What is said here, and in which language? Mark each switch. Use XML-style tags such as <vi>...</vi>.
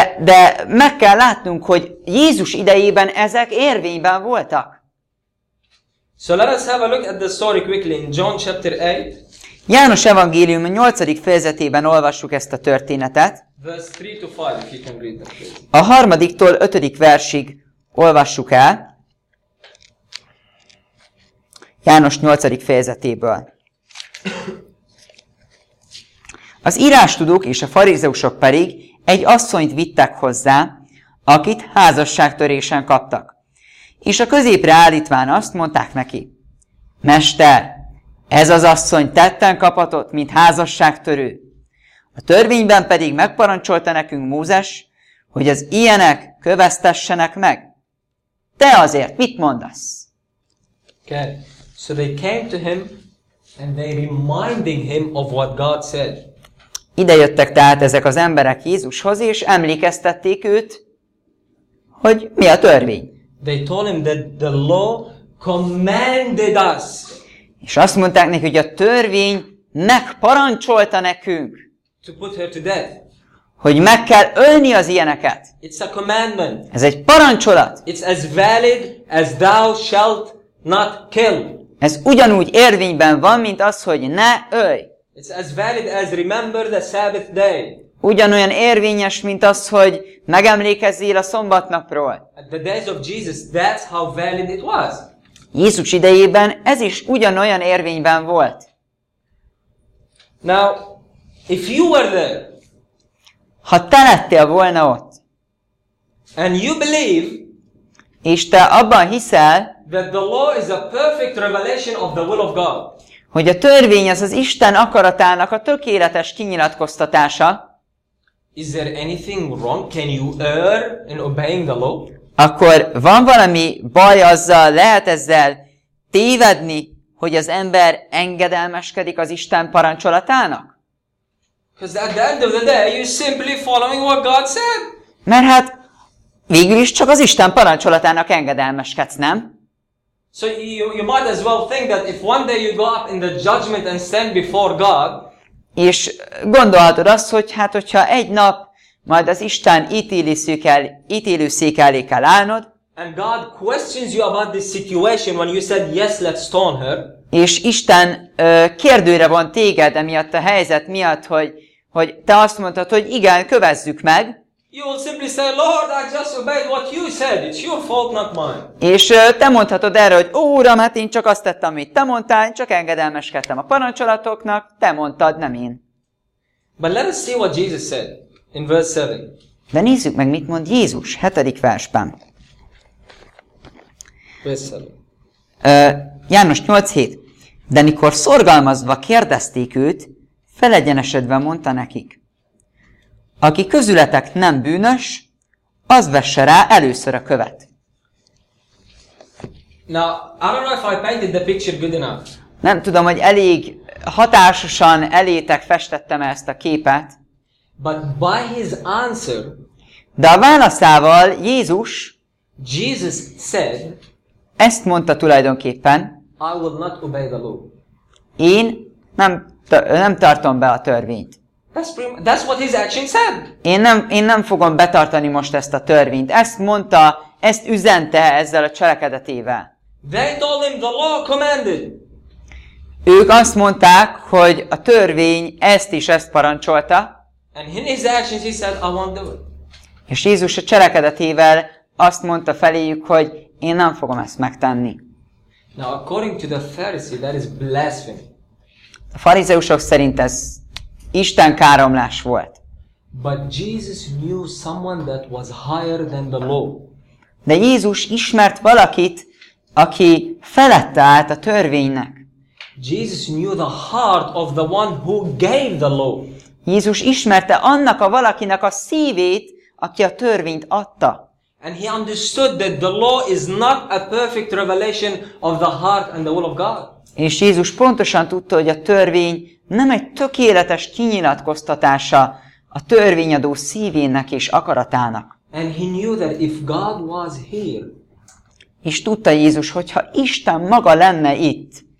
<hu>De meg kell látnunk, hogy Jézus idejében ezek érvényben voltak.</hu> <en>So let us have a look at the story quickly in John chapter 8.</en> <hu>János evangélium 8. fejezetében olvassuk ezt a történetet.</hu> <en>Verse 3-5, if you can read that, please.</en> <hu>A 3-tól 5. versig olvassuk el. János 8. fejezetéből. Az írástudók és a farizeusok pedig egy asszonyt vittek hozzá, akit házasságtörésen kaptak. És a középre állítván azt mondták neki, Mester, ez az asszony tetten kapatott, mint házasságtörő. A törvényben pedig megparancsolta nekünk Mózes, hogy az ilyenek kövesztessenek meg. Te azért mit mondasz?</hu> <en>Okay. So they came to him, and they reminding him of what God said.</en> <hu>Ide jöttek tehát ezek az emberek Jézushoz, és emlékeztették őt, hogy mi a törvény.</hu> <en>They told him that the law commanded us.</en> <hu>És azt mondták neki, hogy a törvény megparancsolta nekünk,</hu> <en>to put her to death.</en> <hu>Hogy meg kell ölni az ilyeneket.</hu> <en>It's a commandment.</en> <hu>Ez egy parancsolat.</hu> <en>It's as valid as thou shalt not kill.</en> <hu>Ez ugyanúgy érvényben van, mint az, hogy ne ölj.</hu> <en>It's as valid as remember the Sabbath day.</en> <hu>Ugyanolyan érvényes, mint az, hogy megemlékezzél a szombatnapról.</hu> <en>At the days of Jesus, that's how valid it was.</en> <hu>Jézus idejében ez is ugyanolyan érvényben volt.</hu> <en>Now, if you were there,</en> <hu>ha te lettél volna ott,</hu> <en>and you believe,</en> <hu>és te abban hiszel,</hu> <en>that the law is a perfect revelation of the will of God,</en> <hu>hogy a törvény az Isten akaratának a tökéletes kinyilatkoztatása,</hu> <en>is there anything wrong? Can you err in obeying the law?</en> <hu>Akkor van valami baj azzal, lehet ezzel tévedni, hogy az ember engedelmeskedik az Isten parancsolatának?</hu> <en>Because at the end of the day, you're simply following what God said.</en> <hu>Mert hát végül is csak az Isten parancsolatának engedelmeskedsz, nem?</hu> <en>So you might as well think that if one day you go up in the judgment and stand before God,</en> <hu>és gondolhatod azt, hogy hát, hogyha egy nap majd az Isten ítélőszék elé kell állnod,</hu> <en>and God questions you about this situation when you said yes, let's stone her,</en> <hu>és Isten kérdőre van téged emiatt a helyzet miatt, hogy te azt mondtad, hogy igen, kövezzük meg.</hu> <en>You will simply say, Lord, I just obeyed what you said. It's your fault, not mine.</en> <hu>És te mondhatod erre, hogy ó, Uram, hát én csak azt tettem, amit te mondtál, én csak engedelmeskedtem a parancsolatoknak, te mondtad, nem én.</hu> <en>But let us see what Jesus said in verse 7.</en> <hu>De nézzük meg, mit mond Jézus 7. versben.</hu> <en>Verse 7.</en> <hu>János 8:7. De mikor szorgalmazva kérdezték őt, felegyenesedve mondta nekik: aki közületek nem bűnös, az vesse rá először a követ.</hu> <en>Now, I don't know if I painted the picture good enough.</en> <hu>Nem tudom, hogy elég hatásosan elétek festettem ezt a képet.</hu> <en>But by his answer,</en> <hu>de a válaszával Jézus,</hu> <en>Jesus said,</en> <hu>ezt mondta tulajdonképpen,</hu> <en>I will not obey the law.</en> <hu>Én nem tartom be a törvényt.</hu> <en>That's what his action said.</en> <hu>Én nem fogom betartani most ezt a törvényt. Ezt mondta, ezt üzente ezzel a cselekedetével.</hu> <en>They told him the law commanded.</en> <hu>Ők azt mondták, hogy a törvény ezt is ezt parancsolta.</hu> <en>And in his actions he said, I won't do it.</en> <hu>És Jézus a cselekedetével azt mondta feléjük, hogy én nem fogom ezt megtenni.</hu> <en>Now, according to the Pharisee, that is blasphemy.</en> <hu>A farizeusok szerint ez Isten káromlás volt.</hu> <en>But Jesus knew someone that was higher than the law.</en> <hu>De Jézus ismert valakit, aki felette állt a törvénynek.</hu> <en>Jesus knew the heart of the one who gave the law.</en> <hu>Jézus ismerte annak a valakinek a szívét, aki a törvényt adta.</hu> <en>And he understood that the law is not a perfect revelation of the heart and the will of God.</en> <hu>És Jézus pontosan tudta, hogy a törvény nem egy tökéletes kinyilatkoztatása a törvényadó szívének és akaratának.</hu> <en>And he knew that if God was here,</en> <hu>és tudta Jézus, hogyha Isten maga lenne itt,</hu>